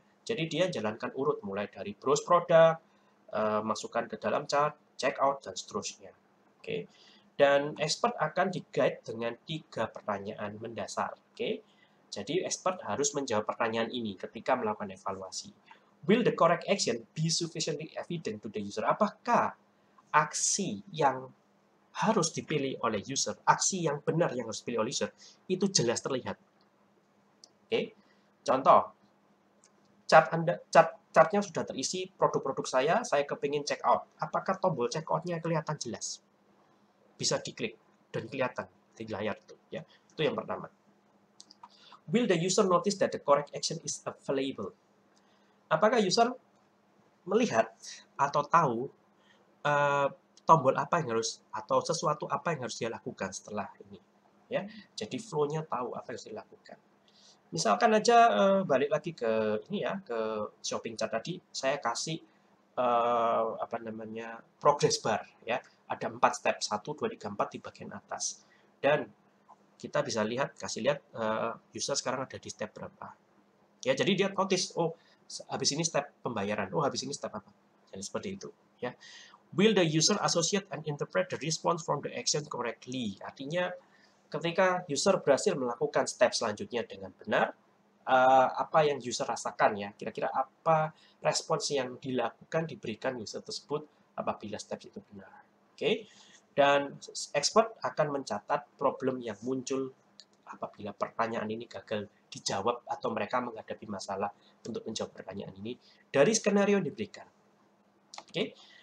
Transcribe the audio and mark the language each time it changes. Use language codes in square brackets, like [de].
[id] Jadi dia jalankan urut mulai dari browse produk, masukkan ke dalam chart, check out dan seterusnya. Oke. Okay? Dan expert akan di-guide dengan tiga pertanyaan mendasar, oke? Okay? Jadi expert harus menjawab pertanyaan ini ketika melakukan evaluasi. [en] Will the correct action be sufficiently evident to the user? [id] Apakah aksi yang harus dipilih oleh user, aksi yang benar yang harus dipilih oleh user, itu jelas terlihat? Oke? Okay? Contoh, chart-chartnya sudah terisi produk-produk saya kepingin check out. Apakah tombol check out-nya kelihatan jelas? Bisa diklik dan kelihatan di layar itu ya. Itu yang pertama. [en] Will the user notice that the correct action is available? [id] Apakah user melihat atau tahu tombol apa yang harus atau sesuatu apa yang harus dia lakukan setelah ini ya. Jadi flow-nya tahu apa yang harus dilakukan. Misalkan aja balik lagi ke ini ya, ke shopping chart tadi, saya kasih apa namanya progress bar ya, ada 4 step 1 2 3 4 di bagian atas. Dan kita bisa lihat, kasih lihat user sekarang ada di step berapa. Ya, jadi dia notice, oh habis ini step pembayaran. Oh, habis ini step apa? Jadi seperti itu ya. [en] Will the user associate and interpret the response from the action correctly? [id] Artinya ketika user berhasil melakukan step selanjutnya dengan benar, apa yang user rasakan ya, kira-kira apa respons yang dilakukan, diberikan user tersebut apabila step itu benar. Oke. Dan expert akan mencatat problem yang muncul apabila pertanyaan ini gagal dijawab atau mereka menghadapi masalah untuk menjawab pertanyaan ini dari skenario yang diberikan. Oke.